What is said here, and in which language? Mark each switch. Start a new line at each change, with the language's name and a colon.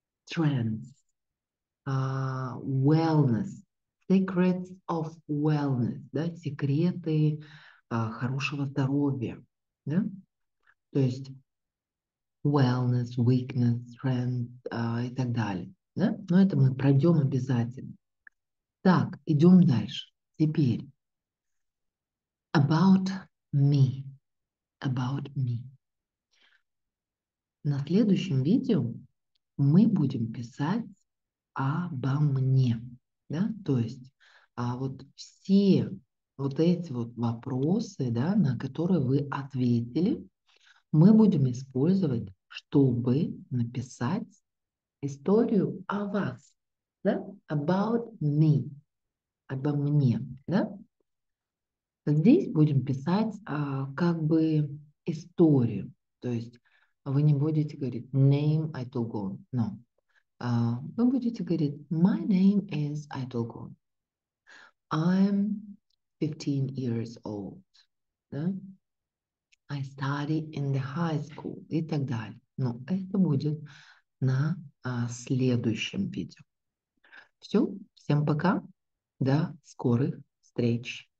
English: Trends, wellness, secrets of wellness,
Russian: да, секреты хорошего здоровья, да, то есть
English: wellness, weakness, trends
Russian: и так далее, да, но это мы пройдем обязательно. Так, идем дальше. Теперь
English: about me, about me.
Russian: На следующем видео мы будем писать обо мне, да, то есть вот все вот эти вот вопросы, да, на которые вы ответили, мы будем использовать, чтобы написать историю о вас, да,
English: about me,
Russian: обо мне, да. Здесь будем писать как бы историю, то есть вы не будете говорить name Айтолгон, но вы будете говорить
English: my name is Айтолгон. I'm 15 years old. Да? I study in the high school
Russian: и так далее. Но это будет на следующем видео. Все, всем пока. До скорых встреч.